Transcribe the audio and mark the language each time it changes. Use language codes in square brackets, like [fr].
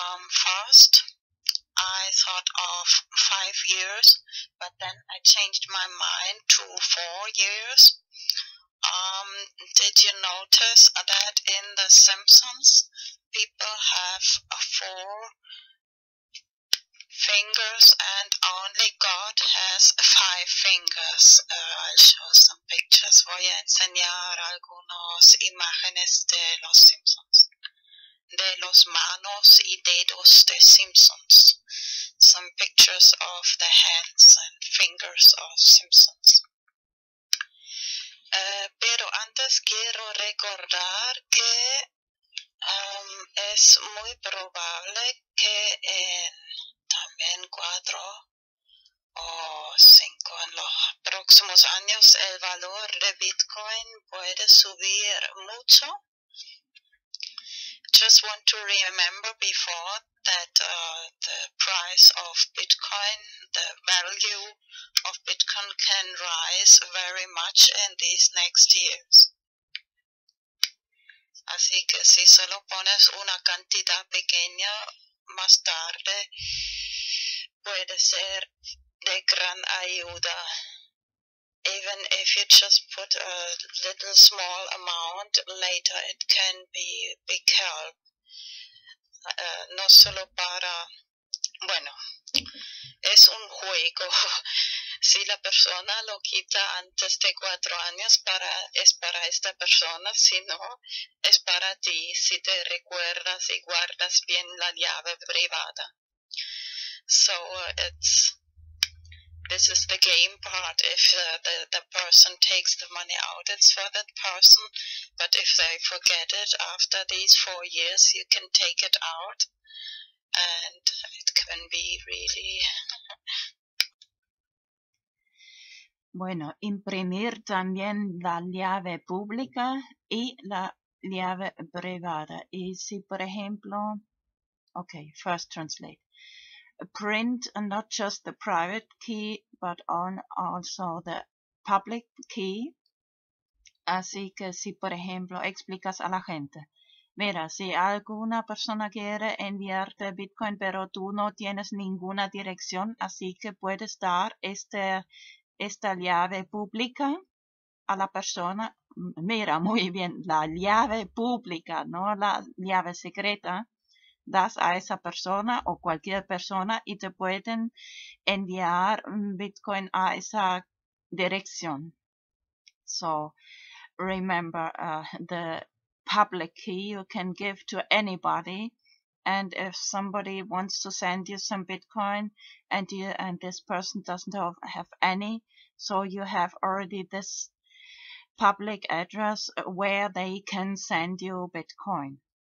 [en] First, I thought of 5 years, but then I changed my mind to 4 years. Did you notice that in the Simpsons, people have 4 fingers and only God has 5 fingers. I'll show some pictures. [es] Voy a enseñar algunas imágenes de los Simpsons. De los manos y dedos de Simpsons. [en] Some pictures of the hands and fingers of Simpsons. [es] Pero antes quiero recordar que es muy probable que en también 4 o 5 en los próximos años el valor de Bitcoin puede subir mucho. [en] Just want to remember before that the price of Bitcoin, the value of Bitcoin can rise very much in these next years. [es] Así que si solo pones una cantidad pequeña más tarde, puede ser de gran ayuda. [en] Even if you just put a little small amount, later it can be big help. [es] No solo para, bueno, es un juego. Si la persona lo quita antes de 4 años, es para esta persona. Si no, es para ti, si te recuerdas y guardas bien la llave privada. [en] So it's, this is the game part. If the person takes the money out, it's for that person. But if they forget it after these 4 years, you can take it out. And it can be really... [es] Bueno, imprimir también la llave pública y la llave privada. Y si, por ejemplo, okay, [en] first translate. Print not just the private key, but also the public key. [es] Así que si, por ejemplo, explicas a la gente. Mira, si alguna persona quiere enviarte Bitcoin, pero tú no tienes ninguna dirección, así que puedes dar esta llave pública a la persona. Mira, muy bien, la llave pública, no la llave secreta. Das a esa persona o cualquier persona y te pueden enviar Bitcoin a esa dirección. [en] So, remember, the public key you can give to anybody. And if somebody wants to send you some Bitcoin and this person doesn't have any, so you have already this public address where they can send you Bitcoin.